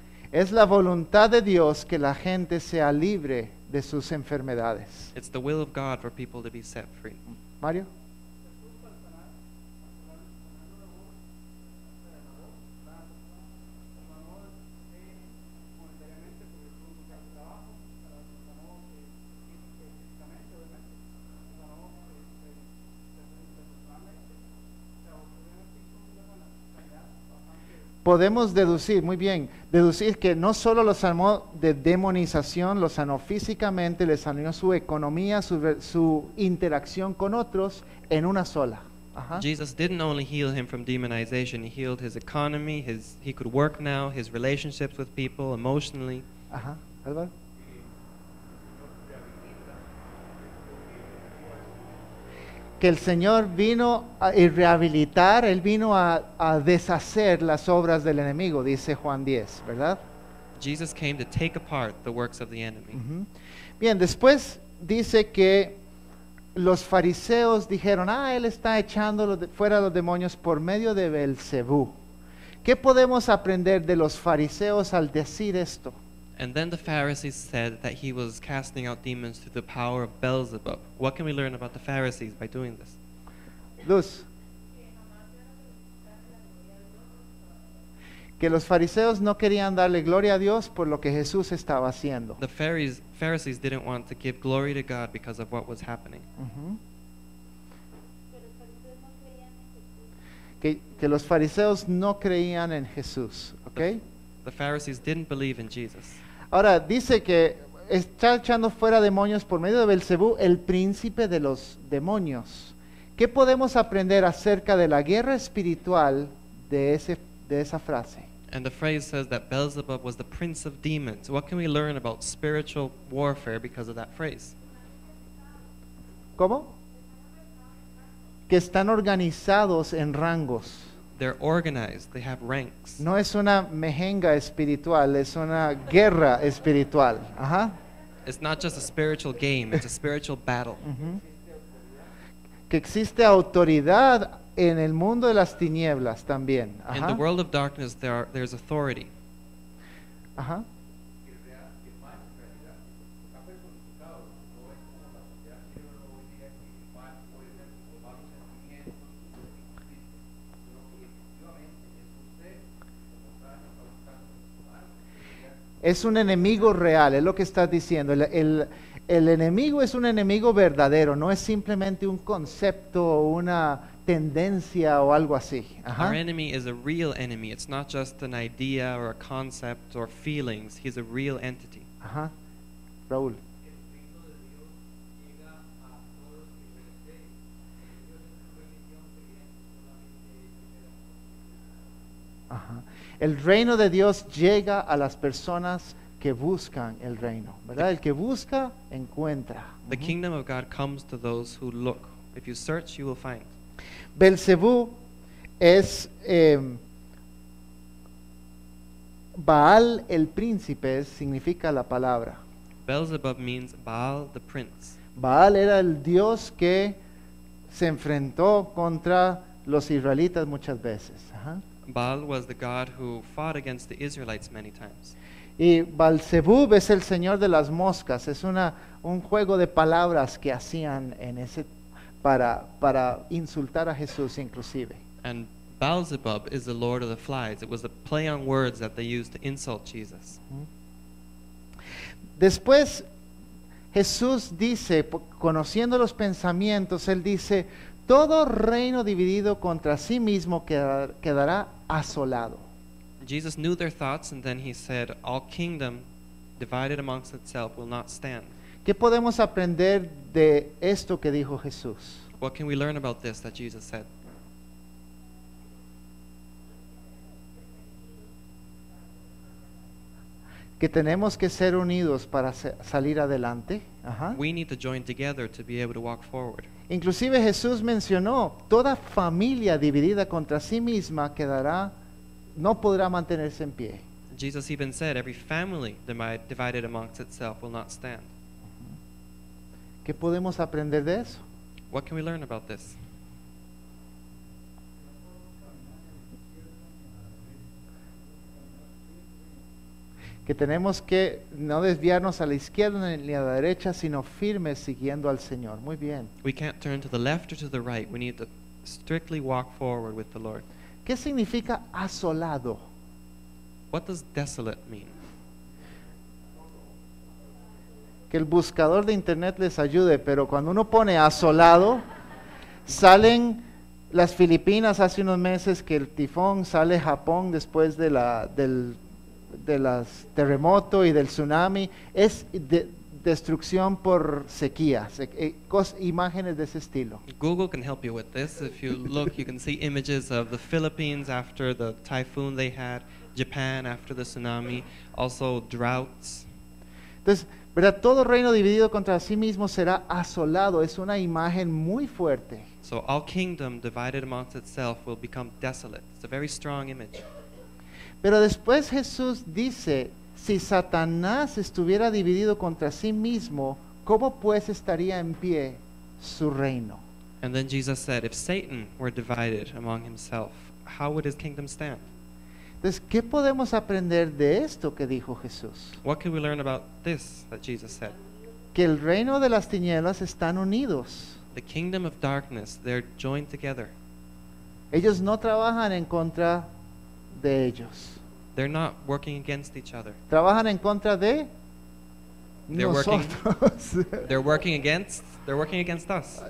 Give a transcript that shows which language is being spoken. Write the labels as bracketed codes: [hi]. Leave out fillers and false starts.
[es] Es la voluntad de Dios que la gente sea libre de sus enfermedades. [en] It's the will of God for people to be set free. [es] Mario. Podemos deducir, muy bien, deducir que no solo lo sanó de demonización, lo sanó físicamente, le sanó su economía, su interacción con otros en una sola. [en] Jesus didn't only heal him from demonization, he healed his economy, he could work now, his relationships with people, emotionally. [es] Álvaro. Que el Señor vino a rehabilitar, Él vino a deshacer las obras del enemigo, dice Juan 10, ¿verdad? [en] Jesus came to take apart the works of the enemy. [es] Bien, después dice que los fariseos dijeron, Él está echando fuera los demonios por medio de Belcebú. ¿Qué podemos aprender de los fariseos al decir esto? [en] And then the Pharisees said that he was casting out demons through the power of Beelzebub. What can we learn about the Pharisees by doing this? [es] Luz. Que los fariseos no querían darle gloria a Dios por lo que Jesús estaba haciendo. [en] The Pharisees didn't want to give glory to God because of what was happening. [es] que los fariseos no creían en Jesús, ¿okay? [en] The Pharisees didn't believe in Jesus. [es] Ahora dice que está echando fuera demonios por medio de Belcebú, el príncipe de los demonios. ¿Qué podemos aprender acerca de la guerra espiritual de esa frase? [en] And the phrase says that Beelzebub was the prince of demons. What can we learn about spiritual warfare because of that phrase? [es] ¿Cómo? Que están organizados en rangos. [en] They're organized. They have ranks. [es] No es una mejenga espiritual, es una guerra espiritual. Ajá. [en] It's not just a spiritual game, it's a spiritual battle. [es] Que existe autoridad en el mundo de las tinieblas también. [en] Ajá. In the world of darkness there's authority. Ajá. [es] Es un enemigo real, es lo que estás diciendo. El enemigo es un enemigo verdadero, no es simplemente un concepto o una tendencia o algo así. [en] Ajá. Our enemy is a real enemy. It's not just an idea or a concept or feelings. He's a real entity. Ajá. Raúl. Ajá. [es] El reino de Dios llega a las personas que buscan el reino, ¿verdad? El que busca, encuentra. [en] The kingdom of God comes to those who look. If you search, you will find. [es] Belcebú es Baal el príncipe, significa la palabra. [en] Beelzebub means Baal the prince. [es] Baal era el dios que se enfrentó contra los israelitas muchas veces. [en] Baal was the god who fought against the Israelites many times. [es] Y Baal-Zebub es el señor de las moscas. Es un juego de palabras que hacían en ese para insultar a Jesús inclusive. [en] And Baal-Zebub is the lord of the flies. It was a play on words that they used to insult Jesus. [es] Después Jesús dice, conociendo los pensamientos, él dice, todo reino dividido contra sí mismo quedará asolado. [en] Jesus knew their thoughts and then he said, all kingdom divided amongst itself will not stand. [es] ¿Qué podemos aprender de esto que dijo Jesús? [en] What can we learn about this that Jesus said? [es] Que tenemos que ser unidos para salir adelante. [en] We need to join together to be able to walk forward. [es] Inclusive Jesús mencionó, toda familia dividida contra sí misma quedará, no podrá mantenerse en pie. [en] Jesus even said, every family divided amongst itself will not stand. [es] ¿Qué podemos aprender de eso? [en] What can we learn about this? [es] Que tenemos que no desviarnos a la izquierda ni a la derecha, sino firmes siguiendo al Señor. Muy bien. [en] We can't turn to the left or to the right. We need to strictly walk forward with the Lord. [es] ¿Qué significa asolado? [en] What does desolate mean? [es] Que el buscador de internet les ayude, pero cuando uno pone asolado, salen las Filipinas hace unos meses que el tifón, sale Japón después del terremoto y del tsunami, es destrucción por sequía, imágenes de ese estilo. [en] Google can help you with this. If you look, you can see images of the Philippines after the typhoon they had, Japan after the tsunami, also droughts. [es] Entonces, ¿verdad? Todo reino dividido contra sí mismo será asolado. Es una imagen muy fuerte. [en] So all kingdom divided amongst itself will become desolate. It's a very strong image. [es] Pero después Jesús dice, si Satanás estuviera dividido contra sí mismo, ¿cómo pues estaría en pie su reino? [en] And then Jesus said, if Satan were divided among himself, how would his kingdom stand? [es] Entonces, ¿qué podemos aprender de esto que dijo Jesús? [en] What can we learn about this that Jesus said? [es] Que el reino de las tinieblas están unidos. [en] The kingdom of darkness, they're joined together. [es] Ellos no trabajan en contra de ellos. [en] They're not working against each other. [es] Trabajan en contra de nosotros. [en] They're working against They're working against us.